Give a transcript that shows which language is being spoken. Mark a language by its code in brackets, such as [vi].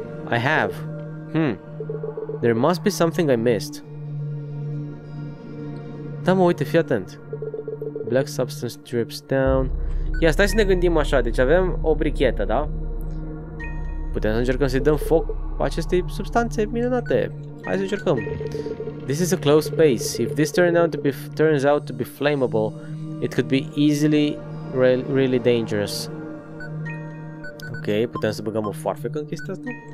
[en] I have. Hmm. There must be something I missed. [ro] Da, mă, uite, fii atent. [en] Black substance drips down. [ro] Ia, stai să ne gândim așa. Deci avem o brichetă, da? Putem să încercăm să-i dăm foc acestei substanțe minunate. Hai să încercăm. [en] This is a closed space. If this turns out to be flammable, it could be easily really dangerous. [ro] Ok, putem să băgăm o farfecă în chestia asta?